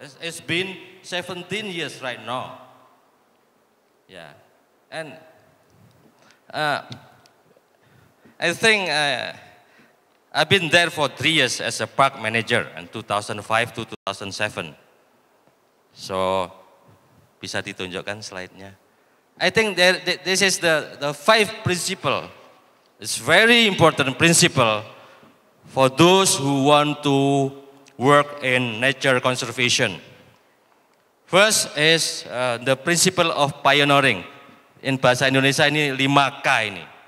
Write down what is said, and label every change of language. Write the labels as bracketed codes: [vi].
[en] It's been 17 years right now. Yeah. And I think I've been there for 3 years as a park manager in 2005 to 2007. [id] So, bisa ditunjukkan slide-nya. [en] I think this is the five principle. It's very important principle for those who want to work in nature conservation. First is the principle of pioneering. [id] In bahasa Indonesia ini 5K ini.